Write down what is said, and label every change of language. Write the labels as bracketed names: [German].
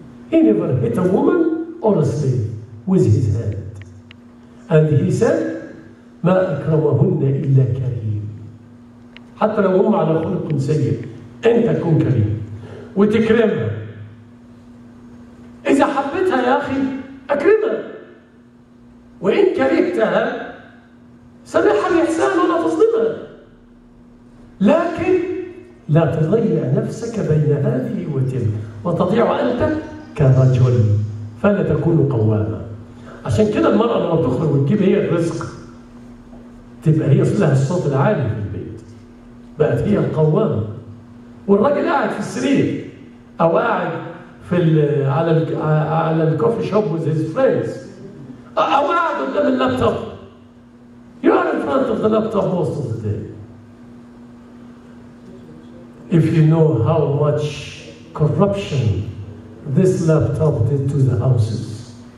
[English] He never hit a woman or a slave with his hand. And he said, [Arabic] مَا أَكْرَوَهُنَّ إِلَّا كَرِيمٌ حتى لو هم على خلق سيء أنت كن كريم وتكرمها. إذا حبيتها يا أخي أكرمها، وإن كرهتها سامحها الإحسان ولا تظلمها، لكن لا تضيع نفسك بين هذه وتلك وتضيع أنت كرجل فلا تكون قواما. عشان كده المرأة لما تخرج وتجيب هي الرزق تبقى هي صلها الصوت العالي في البيت، بقت هي القوامة، والرجل قاعد في السرير أو قاعد في على الكوفي شوب [English] with his friends [Arabic] أو قاعد قدام اللابتوب. [English] You are in front of the laptop most of the day. If you know how much corruption this laptop did to the houses.